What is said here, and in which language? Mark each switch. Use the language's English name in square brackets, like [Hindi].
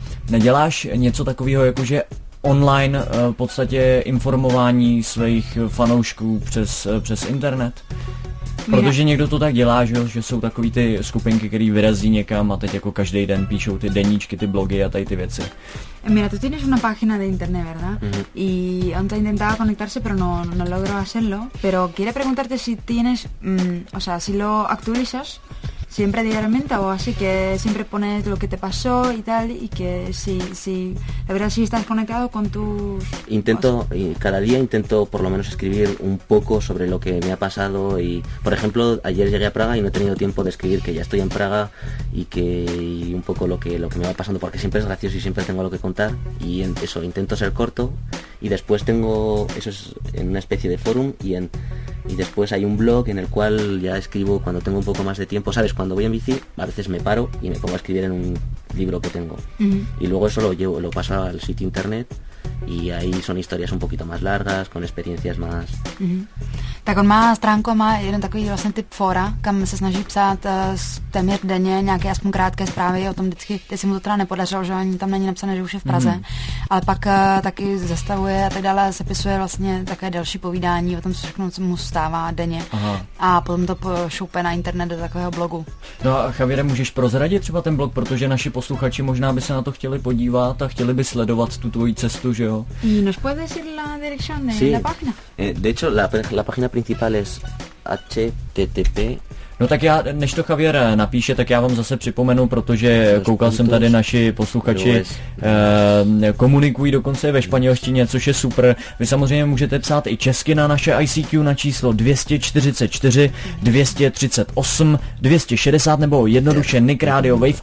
[Czech] Neděláš něco takového, jakože online v podstatě informování svých fanoušků přes internet? Protože někdo to tak dělá, že jsou takový ty skupinky, který vyrazí někam a teď jako každý den píšou ty deníčky, ty blogy a tady ty věci. [Spanish] Mira, tú tienes una página de internet, ¿verdad? Y aún te intentaba conectarse, pero no logro hacerlo. Pero quiere preguntarte si tienes, o sea, si lo actualizas siempre diariamente o así, que siempre pones lo que te pasó y tal, y que si la verdad si estás conectado con tus... Intento, cada día intento por lo menos escribir un poco sobre lo que me ha pasado y, por ejemplo, ayer llegué a Praga y no he tenido tiempo de escribir que ya estoy en Praga y un poco lo que me va pasando, porque siempre es gracioso y siempre tengo lo que contar, y eso, intento ser corto, y después tengo, eso es en una especie de forum, y después hay un blog en el cual ya escribo cuando tengo un poco más de tiempo, ¿sabes? Cuando voy en bici, a veces me paro y me pongo a escribir en un libro que tengo. Y luego eso lo paso al sitio internet, y ahí son historias un poquito más largas, con experiencias más... [Czech] Tak on má stránku, má jeden takový vlastně typ fora, kam se snaží psát téměř denně nějaké aspoň krátké zprávy o tom vždycky, jestli mu to teda nepodařilo, že ani tam není napsané, že už je v Praze. Mm-hmm. Ale pak taky zastavuje a tak dále, sepisuje vlastně také další povídání o tom, co všechno co mu stává denně. Aha. A potom to šoupe na internet do takového blogu. No a Javiere, můžeš prozradit třeba ten blog, protože naši posluchači možná by se na to chtěli podívat a chtěli by sledovat tu tvoji cestu, že jo? [Spanish] Nos puedes decir la dirección de sí. La página. De hecho, la página principal es http. [Czech] No tak já, než to Javier napíše, tak já vám zase připomenu, protože koukal jsem tady, naši posluchači komunikují dokonce ve španělštině, což je super. Vy samozřejmě můžete psát i česky na naše ICQ na číslo 244 238 260 nebo jednoduše Nick Radio Wave.